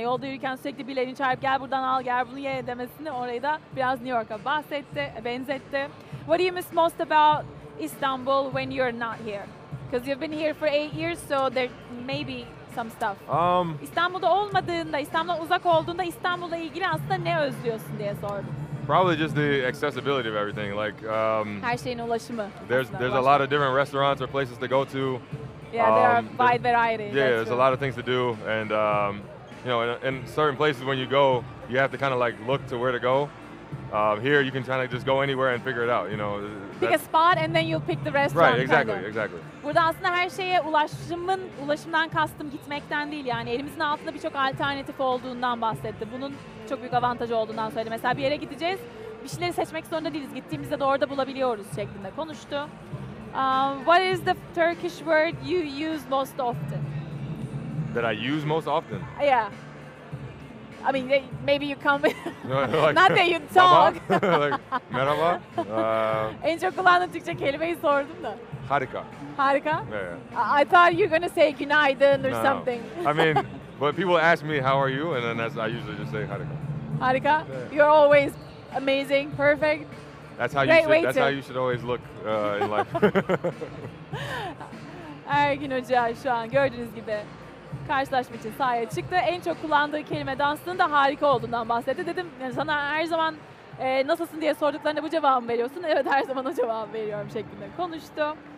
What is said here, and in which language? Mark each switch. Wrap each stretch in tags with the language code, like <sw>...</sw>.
<tr>Yolda yürürken sürekli birilerini çağırıp gel buradan al gel bunu ye demesini orayı da biraz New York'a benzetti.</tr> <en>What do you miss most about Istanbul when you're not here? Because you've been here for 8 years so there may be some stuff.</en> <tr>İstanbul'da olmadığında, İstanbul'dan uzak olduğunda İstanbul'la ilgili aslında ne özlüyorsun diye sordum.</tr> <en>Probably just the accessibility of everything. Like,</en> <tr>her şeyin ulaşımı.</tr> <en>There's a lot of different restaurants or places to go to. Yeah, there are wide variety. Yeah, there's a lot of things to do, and you know, in certain places when you go, you have to kind of like look to where to go. Here, you can kind of just go anywhere and figure it out. You know, pick a spot and then you'll pick the restaurant. Right, exactly.</en> <tr>Burada aslında her şeye ulaşımdan kastım gitmekten değil yani elimizin altında birçok alternatif olduğundan bahsetti. Bunun çok büyük avantajı olduğundan söyledi. Mesela bir yere gideceğiz, bir şeyleri seçmek zorunda değiliz. Gittiğimizde de orada bulabiliyoruz şeklinde konuştu.</tr> <en>What is the Turkish word you use most often? That I use most often? Yeah. I mean, maybe you come with... Not that you talk. Like, merhaba.</en> <tr>En çok kullandığım Türkçe kelimeyi sordum da. Harika. Harika?</tr> <en>Yeah. I thought you were going to say günaydın or no, something. No. I mean, but people ask me, how are you? And then I usually just say harika.</en> <tr>Harika?</tr> <en>Yeah. You're always amazing, perfect. That's how you Great should. Waiter. That's how you should always look in life.</en> <tr>Ergin Hoca şu an gördüğünüz gibi karşılaşma için sahaya çıktı. En çok kullandığı kelime dansının da harika olduğundan bahsetti. Dedim sana her zaman nasılsın diye sorduklarında bu cevabı veriyorsun. Evet her zaman o cevabı veriyorum şeklinde konuştu.</tr>